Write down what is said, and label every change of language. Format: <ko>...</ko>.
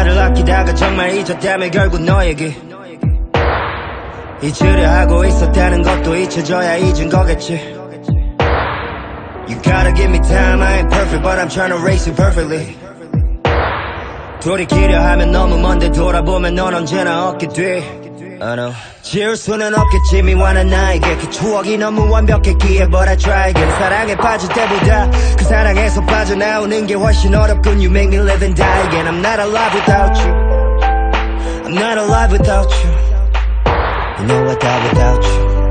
<ko>아끼다가 정말 잊었다면 결국 너에게 잊으려 하고 있었다는 것도 잊혀져야 잊은 거겠지.</ko> <en>You gotta give me time, I ain't perfect, but I'm trying to race it perfectly.</en> <ko>돌이키려 하면 너무 먼데 돌아보면 넌 언제나 없게 돼.</ko> <en>I know.</en> <ko>지울 수는 없겠지, 미워한 나에게. 그 추억이 너무 완벽했기에,</ko> <en>but I try again.</en> <ko>사랑에 빠질 때보다, 그 사랑에서 빠져나오는 게 훨씬 어렵군.</ko> <en>You make me live and die again. I'm not alive without you. I'm not alive without you. You know I die without you.</en>